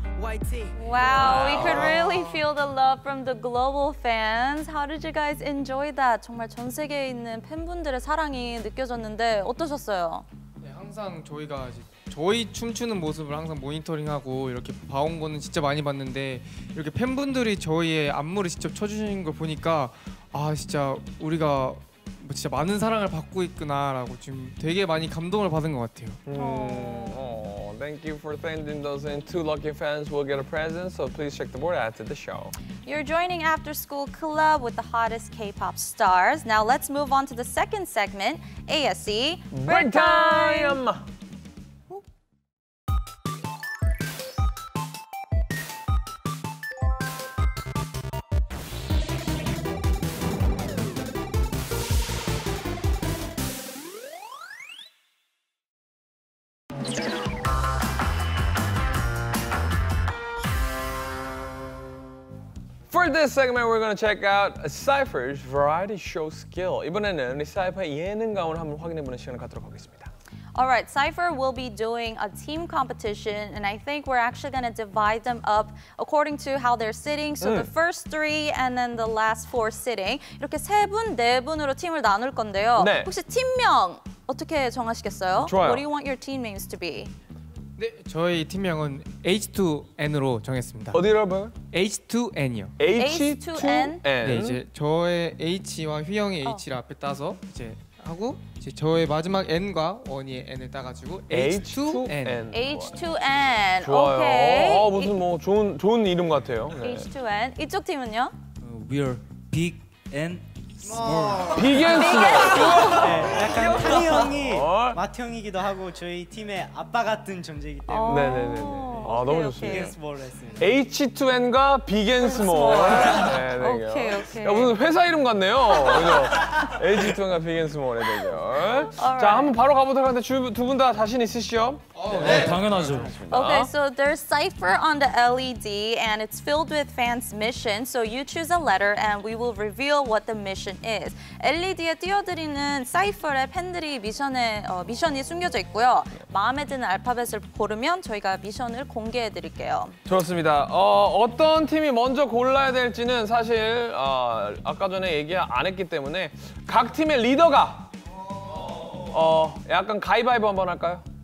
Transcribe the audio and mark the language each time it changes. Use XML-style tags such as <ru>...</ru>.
<en>Wow, we could really feel the love from the global fans. How did you guys enjoy that?</en> <ko>정말 전 세계에 있는 팬분들의 사랑이 느껴졌는데 어떠셨어요? 네, 항상 저희가 저희 춤추는 모습을 항상 모니터링하고 이렇게 봐온 거는 진짜 많이 봤는데 이렇게 팬분들이 저희의 안무를 직접 쳐주시는 걸 보니까 아 진짜 우리가 뭐 진짜 많은 사랑을 받고 있구나라고 지금 되게 많이 감동을 받은 것 같아요.</ko> <en>Thank you for sending those in. Two lucky fans will get a present, so please check the board after the show. You're joining After School Club with the hottest K-pop stars. Now let's move on to the second segment, ASE Break Time! For this segment, we're going to check out Cypher's variety show skill.</en> <ko>이번에는 우리 Cypher의 예능 가운을 한번 확인해보는 시간을 갖도록 하겠습니다.</ko> <en>All right, Cypher will be doing a team competition, and I think we're actually going to divide them up according to how they're sitting. So the first three and then the last four sitting.</en> <ko>이렇게 세 분, 네 분으로 팀을 나눌 건데요. 네. 혹시 팀명 어떻게 정하시겠어요? 좋아요.</ko> <en>What do you want your team names to be?</en> <ko>네, 저희 팀명은 H2N으로 정했습니다. 어디로 봐요? H2N이요. H2N? 네, 이제 저의 H와 휘영이 H를 앞에 따서 이제 하고 이제 저의 마지막 N과 원희의 N을 따가지고 H2N. H2N. 좋아요. 오케이. 아, 무슨 뭐 좋은 이름 같아요. 네. H2N. 이쪽 팀은요?</ko> <en>We are big N.</en> <ko>비겐스. 네, 약간 탄이 형이 마트 형이기도 하고 저희 팀의 아빠 같은 존재이기 때문에. 네네네. 네. 아 너무 좋습니다. 비겐스몰로 했습니다. H2N과 비겐스몰. 네네. 오케이 오케이. 야 무슨 회사 이름 같네요. 그죠? H2N과 비겐스몰의 대결. 자 한번 바로 가보도록 하는데 두 분 다 자신 있으시죠? 네, 당연하죠. Okay, so there's Cypher on the LED and it's filled with fans' mission. So you choose a letter and we will reveal what the mission is. LED에 띄워드리는 Cypher의 팬들이 미션이 숨겨져 있고요. 마음에 드는 알파벳을 고르면 저희가 미션을 공개해드릴게요. 좋습니다. 어떤 팀이 먼저 골라야 될지는 사실 아까 전에 얘기 안 했기 때문에 각 팀의 리더가 약간 가위바위보 한번 할까요?</ko>